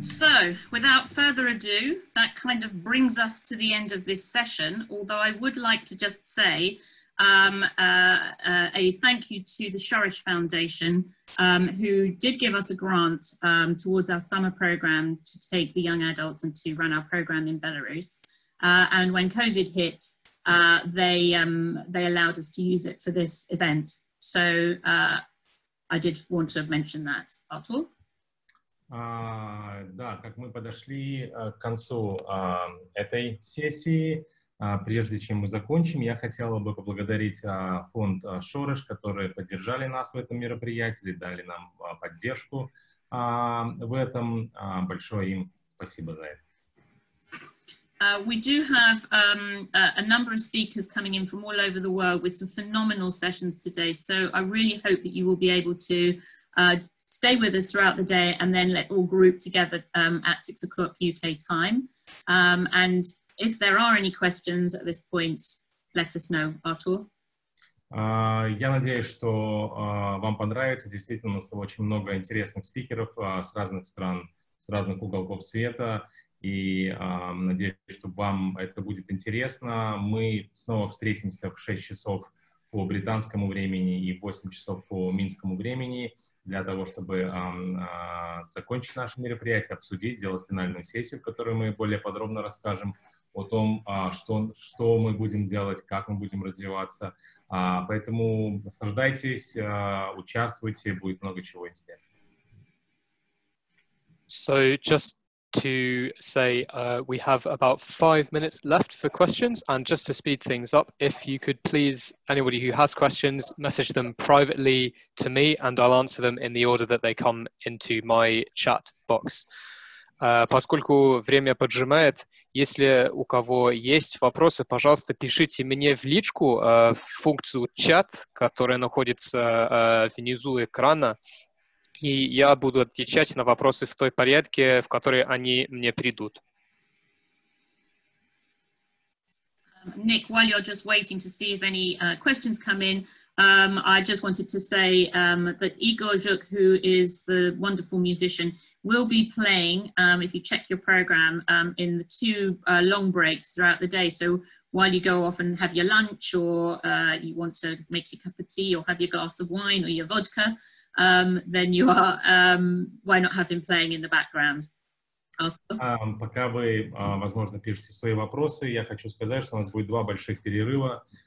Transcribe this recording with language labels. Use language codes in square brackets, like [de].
[en] So, without further ado, that kind of brings us to the end of this session, although I would like to just say a thank you to the Shoresh Foundation, who did give us a grant towards our summer program to take the young adults and to run our program in Belarus. And when COVID hit, they allowed us to use it for this event. So I did want to mention that, Artur. [ru] Да, как мы подошли к концу этой сессии, прежде чем мы закончим, я хотела бы поблагодарить фонд Шореш, которые поддержали нас в этом мероприятии, дали нам поддержку в этом. Большое им спасибо за это. [en] We do have a number of speakers coming in from all over the world with some phenomenal sessions today, so I really hope that you will be able to stay with us throughout the day, and then let's all group together at 6 o'clock UK time. And if there are any questions at this point, let us know, Artur. [ru] Я надеюсь, что вам понравится. Действительно, у нас очень много интересных спикеров с разных стран, с разных уголков света. И надеюсь, что вам это будет интересно. Мы снова встретимся в 6 часов по британскому времени и 8 часов по минскому времени, для того, чтобы закончить наше мероприятие, обсудить, сделать финальную сессию, в которой мы более подробно расскажем о том, что мы будем делать, как мы будем развиваться. Поэтому наслаждайтесь, участвуйте, будет много чего интересного. [en] So, just to say, we have about 5 minutes left for questions, and just to speed things up, if you could please, anybody who has questions, message them privately to me and I'll answer them in the order that they come into my chat box. [ru] Поскольку время поджимает, если у кого есть вопросы, пожалуйста, пишите мне в личку в функцию чат, которая находится внизу экрана. И я буду отвечать на вопросы в той порядке, в которой они мне придут. [en] Nick, while you're just waiting to see if any questions come in, I just wanted to say that Igor Zhuk, who is the wonderful musician, will be playing, if you check your program, in the two long breaks throughout the day. So while you go off and have your lunch, or you want to make your cup of tea, or have your glass of wine, or your vodka, then you are, why not have him playing in the background? [ru] Пока вы, возможно, пишете свои вопросы, я хочу сказать, что у нас будет два больших перерыва,